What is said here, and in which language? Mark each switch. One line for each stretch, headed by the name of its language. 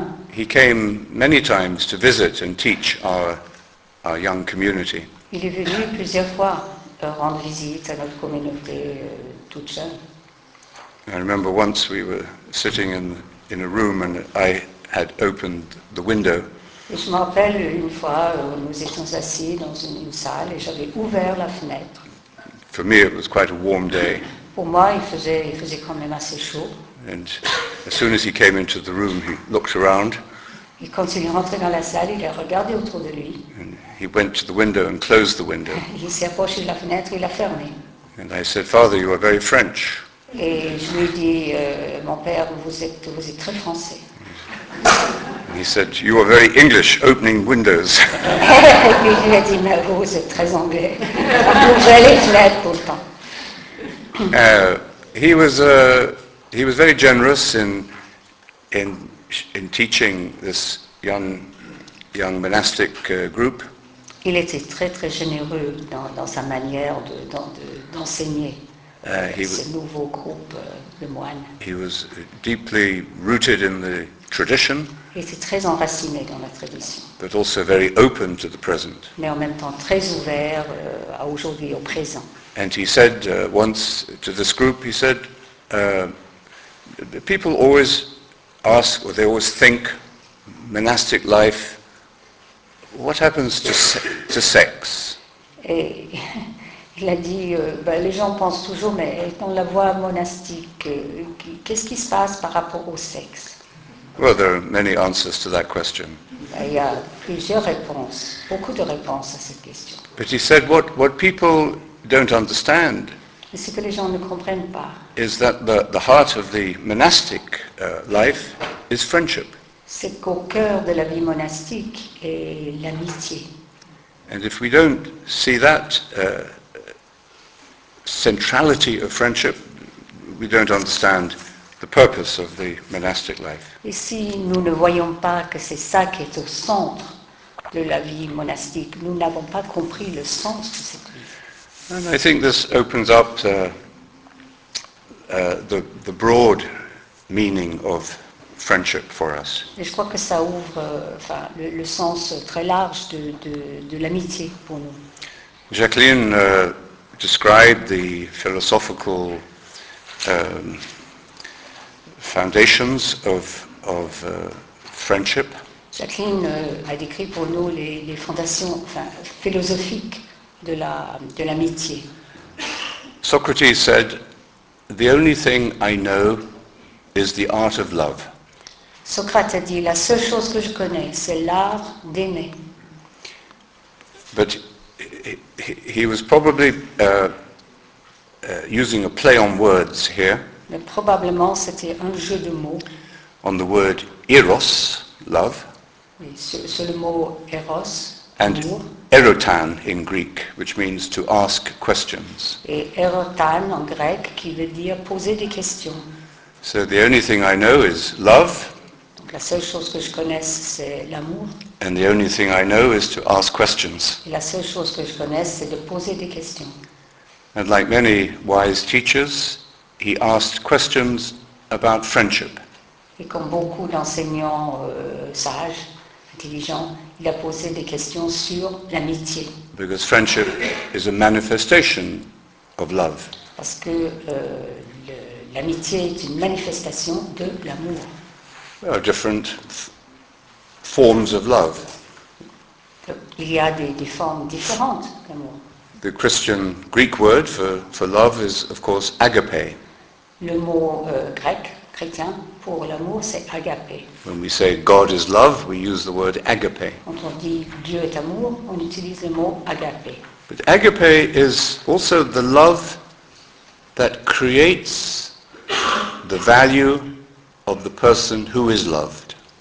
English: he came many times to visit and teach our young community.
French: Il est venu plusieurs fois rendre visite à notre communauté toute jeune.
English: I remember once we were sitting in a room and I had opened the window.
French: Et je me rappelle une fois où nous étions assis dans une salle et j'avais ouvert la fenêtre.
English: For me, it was quite a warm day.
French: Pour moi, il faisait quand même assez chaud.
English: And as soon as he came into the room, he looked around.
French: Et quand il est rentré dans la salle, il a regardé autour de lui.
English: And he went to the window and closed the window.
French: Il s'est approché de la fenêtre et il a fermé.
English: And I said, Father, you are very French.
French: Et je lui ai dit, mon père, vous êtes très français.
English: And he said, you are very English, opening windows.
French: Et je lui ai dit, mais vous êtes très anglais. Vous ouvrez les fenêtres tout le temps.
English: He was very generous in teaching this young monastic group.
French: Il était très très généreux dans sa manière d'enseigner ce nouveau groupe de moines.
English: He was deeply rooted in the tradition.
French: Il était très enraciné dans la tradition.
English: But also very open to the present.
French: Mais en même temps très ouvert à aujourd'hui, au présent.
English: And he said once to this group, he said, people always ask, or they always think, monastic life, what happens to sex?
French: Et il a dit, les gens pensent toujours, mais dans la voie monastique, qu'est-ce qui se passe par rapport au sexe?
English: Well, there are many answers to that question.
French: Il y a plusieurs réponses, beaucoup de réponses à cette question.
English: But he said, what people don't understand,
French: ce que les gens ne comprennent pas,
English: is that the heart of the monastic life is friendship.
French: C'est qu'au cœur de la vie monastique est l'amitié.
English: And if we don't see that centrality of friendship, we don't understand the purpose of the monastic life.
French: Et si nous ne voyons pas que c'est ça qui est au centre de la vie monastique, nous n'avons pas compris le sens de cette vie.
English: And I think this opens up the broad meaning of friendship for us.
French: Et je crois que ça ouvre le sens très large de l'amitié pour nous.
English: Jacqueline described the philosophical foundations of friendship.
French: Jacqueline a décrit pour nous les fondations philosophiques de l'amitié.
English: Socrates said, "The only thing I know is the art of love."
French: Socrate a dit, "La seule chose que je connais, c'est l'art d'aimer."
English: But he was probably using a play on words here.
French: Mais probablement, c'était un jeu de mots.
English: On the word eros, love.
French: Oui, sur le mot eros.
English: And erotan in Greek, which means to ask questions.
French: Et erotan en grec, qui veut dire poser des questions.
English: So the only thing I know is love.
French: Donc la seule chose que je connaisse, c'est l'amour.
English: And the only thing I know is to ask questions.
French: Et la seule chose que je connaisse, c'est de poser des questions.
English: And like many wise teachers, he asked questions about friendship.
French: Et comme beaucoup d'enseignants sages, intelligents, il a posé des questions sur l'amitié.
English: Because friendship is a manifestation of love.
French: Parce que l'amitié est une manifestation de l'amour.
English: There are different forms of love.
French: Il y a des formes différentes d'amour.
English: The Christian Greek word for love is, of course, agape.
French: Le mot grec chrétien pour l'amour, c'est agapé.
English: When we say God is love, we use the word agape.
French: Quand on dit Dieu est amour, on utilise le mot agapé.
English: But agape is also the love that creates the value of the person who is loved.